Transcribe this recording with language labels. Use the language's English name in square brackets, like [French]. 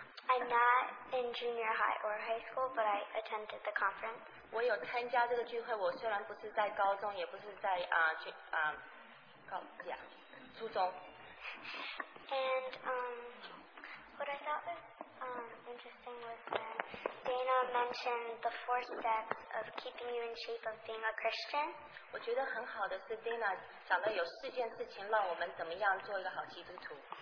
[English] I'm not in junior high or high school, but I attended the conference. [Chinese] 我有参加这个聚会,我虽然不是在高中,也不是在, yeah, 初中。 [English] And what I thought was interesting was that Dana mentioned the four steps of keeping you in shape of being a Christian. [Chinese] 我觉得很好的是 Dana 讲的有四件事情让我们怎么样做一个好基督徒。